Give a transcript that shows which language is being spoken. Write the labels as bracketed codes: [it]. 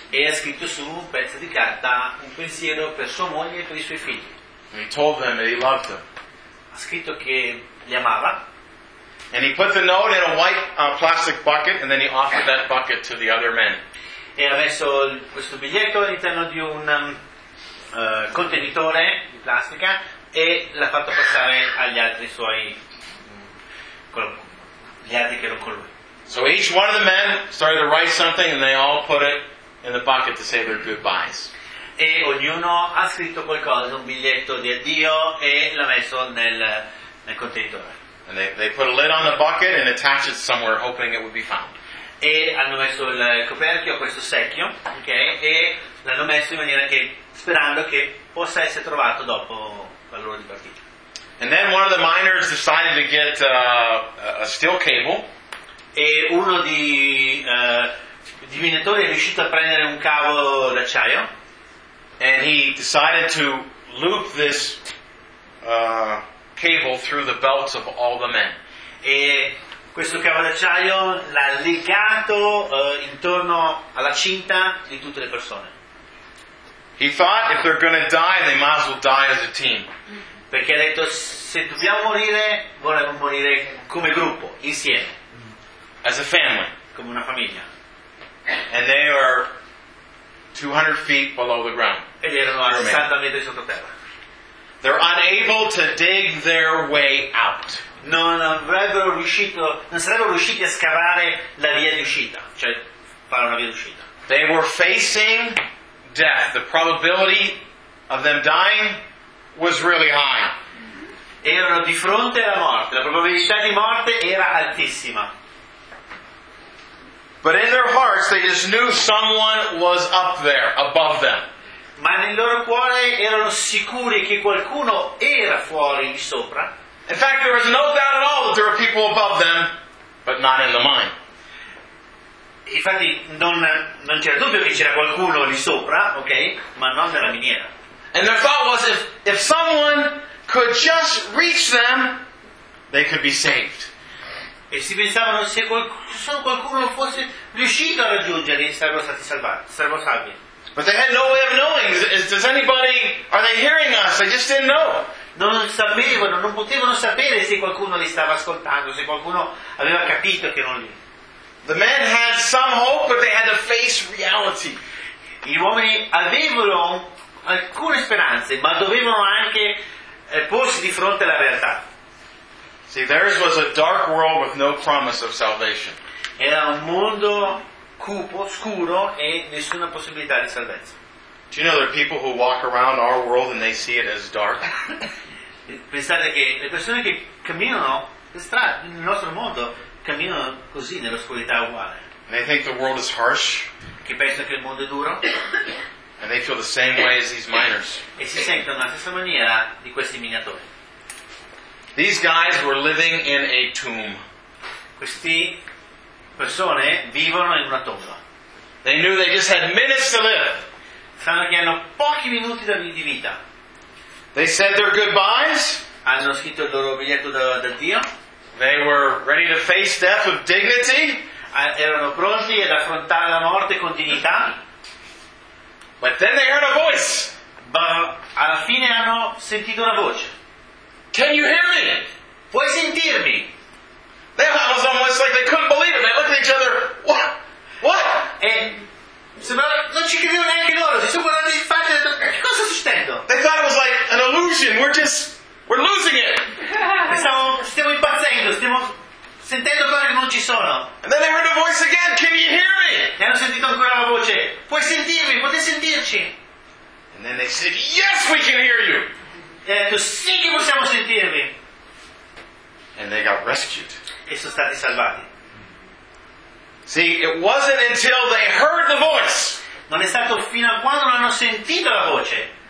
[it] E ha scritto su un pezzo di carta un pensiero per sua moglie e per i suoi figli. [en] And he told them that he loved them. [it] Ha scritto che li amava. [en] And he put the note in a white plastic bucket and then he offered that bucket to the other men. [it] E ha messo questo biglietto all'interno di un contenitore di plastica e l'ha fatto passare agli altri suoi gli altri che erano con lui. [en] So each one of the men started to write something and they all put it in the bucket to say their goodbyes. [it] E ognuno ha scritto qualcosa, un biglietto di addio e l'ha messo nel contenitore. [en] And they put a lid on the bucket and attached it somewhere hoping it would be found. [it] E hanno messo il coperchio a questo secchio, ok, e l'hanno messo in maniera che sperando che possa essere trovato dopo la loro dipartita. [en] And then one of the miners decided to get a steel cable. [it] E uno di minatori è riuscito a prendere un cavo d'acciaio. [en] And he decided to loop this cable through the belts of all the men. [it] E questo cavo d'acciaio l'ha legato intorno alla cinta di tutte le persone. [en] He thought if they're going to die, they might as well die as a team. [it] Perché ha detto se dobbiamo morire, vorremmo morire come gruppo, insieme. [en] As a family. [it] Come una famiglia. [en] And they are 200 feet below the ground. [it] Ed erano a 60 metri sottoterra. [en] They're unable to dig their way out. [it] Non sarebbero riusciti a scavare la via di uscita, cioè fare una via d'uscita. [en] They were facing death. The probability of them dying was really high. [it] Erano di fronte alla morte. La probabilità di morte era altissima. [en] But in their hearts, they just knew someone was up there, above them. [it] Ma nel loro cuore erano sicuri che qualcuno era fuori di sopra. [en] In fact, there was no doubt at all that there were people above them, but not in the mine. [it] Infatti, non c'era dubbio che c'era qualcuno lì sopra, ok? Ma non nella miniera. [en] And their thought was, if someone could just reach them, they could be saved. [it] E si pensavano, se qualcuno fosse riuscito a raggiungerli, sarebbero stati salvati, sarebbero salvi. [en] But they had no way of knowing. Does anybody? Are they hearing us? They just didn't know. [it] Non sapevano, non potevano sapere se qualcuno li stava ascoltando, se qualcuno aveva capito che erano lì. [en] The men had some hope, but they had to face reality. [it] Gli uomini avevano alcune speranze, ma dovevano anche porsi di fronte alla realtà. [en] See, theirs was a dark world with no promise of salvation. [it] Era un mondo cupo, scuro e nessuna possibilità di salvezza. [en] Do you know there are people who walk around our world and they see it as dark? [it] Pensate che le persone che camminano per strada nel nostro mondo camminano così nell'oscurità uguale. [en] And they think the world is harsh. [it] Che pensano che il mondo è duro. [en] And they feel the same way as these miners. [it] E si sentono la stessa maniera di questi minatori. [en] These guys were living in a tomb. [it] Questi persone vivono in una tomba. [en] They knew they just had minutes to live. [it] Sanno che hanno pochi minuti di vita. [en] They said their goodbyes. [it] Hanno scritto il loro biglietto d'addio. [en] They were ready to face death with dignity. [it] Erano pronti ad affrontare la morte con dignità. [en] But then they heard a voice. [it] Ma alla fine hanno sentito una voce. [en] Can you hear me? [it] Puoi sentirmi? [en] They was almost like they couldn't believe it. They looked at each other. What? What? [it] And sembrava non ci credevano neanche loro. Si sono guardati in faccia e hanno detto: che cosa sta succedendo? [en] They thought it was like an illusion. We're losing it. [it] Stiamo impazzendo. Stiamo sentendo cose che non ci sono. [en] And then they heard a voice again. Can you hear me? [it] E hanno sentito ancora la voce. Puoi sentirmi? Potete sentirci? [en] And then they said, yes, we can hear you. [it] E ha detto, sì che possiamo sentirvi. [en] And they got rescued. [it] E sono stati salvati. [en] See, it wasn't until they heard the voice. [it] Non è stato fino a quando non hanno sentito la voce.